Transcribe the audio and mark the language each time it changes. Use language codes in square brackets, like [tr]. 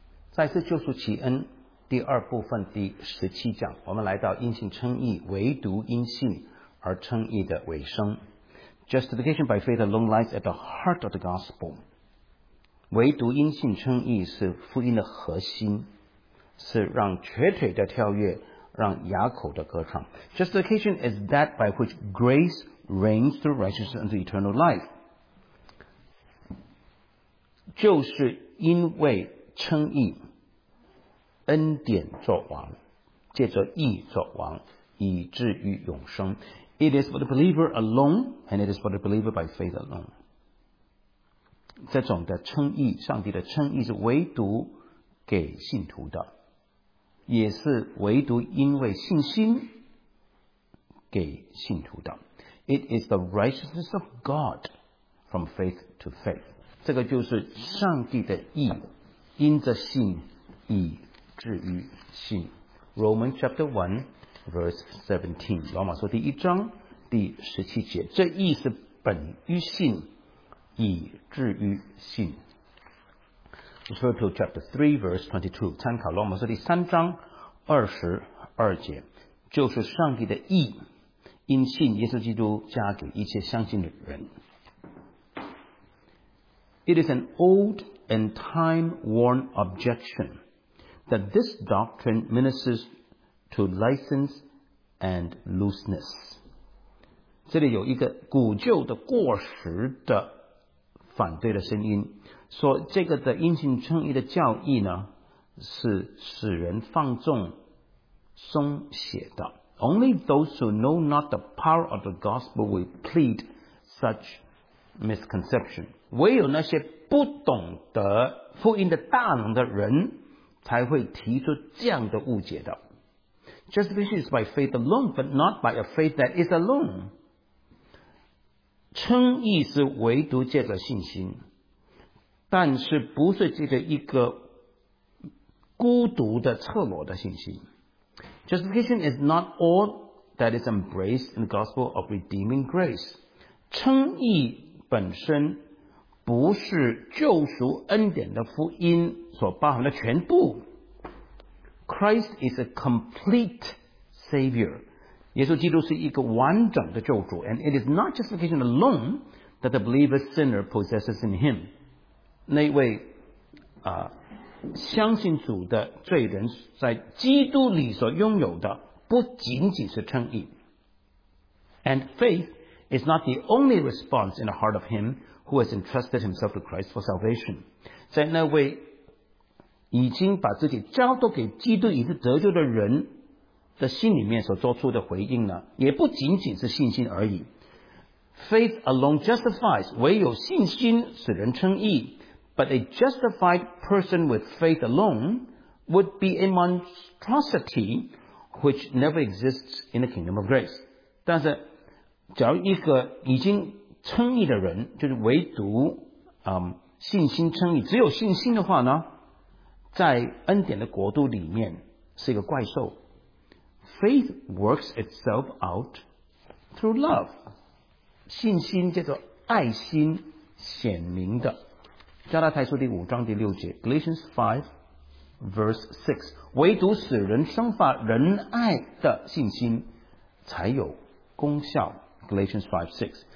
[zh] 再次救赎其恩第二部分第十七讲，我们来到因信称义，唯独因信而称义的尾声。 [en] Justification by faith alone lies at the heart of the gospel. [zh] 唯独因信称义是福音的核心，是让瘸腿的跳跃，让哑口的歌唱。 [en] Justification is that by which grace reigns through righteousness unto eternal life. [zh] 就是因为称义，恩典作王，借着义作王，以至于永生。 [en] It is for the believer alone, and it is for the believer by faith alone. [zh] 这种的称义，上帝的称义是唯独给信徒的，也是唯独因为信心给信徒的。 [en] It is the righteousness of God from faith to faith. [zh] 这个就是上帝的义，因着信以至于信。 [en] Romans chapter 1 verse 17, [zh] 罗马书第一章第十七节，这义是本于信以至于信。 [en] Refer to chapter 3 verse 22, [zh] 参考罗马书第三章二十二节，就是上帝的义因信耶稣基督加给一切相信的人。 [en] It is an old and time-worn objection that this doctrine ministers to license and looseness. [zh] 这里有一个古旧的过时的反对的声音，说这个的因信称义的教义呢，是使人放纵松懈的。 [en] Only those who know not the power of the gospel will plead such misconception. [zh] 唯有那些不懂得福音的大能的人才会提出这样的误解的。 [en] Justification is by faith alone, but not by a faith that is alone. [zh] 称义是唯独借着信心，但是不是借着一个孤独的赤裸的信心。 [en] Justification is not all that is embraced in the gospel of redeeming grace. [zh] 称义本身不是救赎恩典的福音所包含的全部。 [en] Christ is a complete Savior. [zh] 耶稣基督是一个完整的救主。 [en] And it is not justification alone that the believer sinner possesses in him. [zh] 那位相信主的罪人在基督里所拥有的不仅仅是称义。 [en] And faith is not the only response in the heart of him who has entrusted himself to Christ for salvation. [zh] 在那位已经把自己交托给基督以致得救的人的心里面所做出的回应呢，也不仅仅是信心而已。 [en] Faith alone justifies, [zh] 唯有信心使人称义。 [en] But a justified person with faith alone would be a monstrosity which never exists in the kingdom of grace. [zh] 但是假如一个已经称义的人，就是唯独信心称义，只有信心的话呢，在恩典的国度里面是一个怪兽。 [en] Faith works itself out through love. [zh] 信心叫做爱心显明的。加拉太书第五章第六节， [en] Galatians 5 verse 6， [zh] 唯独使人生发仁爱的信心才有功效， Galatians 5:6。